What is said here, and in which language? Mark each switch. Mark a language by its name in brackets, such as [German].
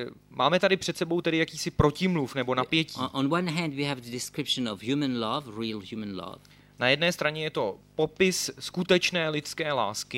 [Czech] Máme tady před sebou tedy jakýsi protimluv nebo napětí. [English] On one hand we have the description of human love, real human love. [Czech] Na jedné straně je to popis skutečné lidské lásky.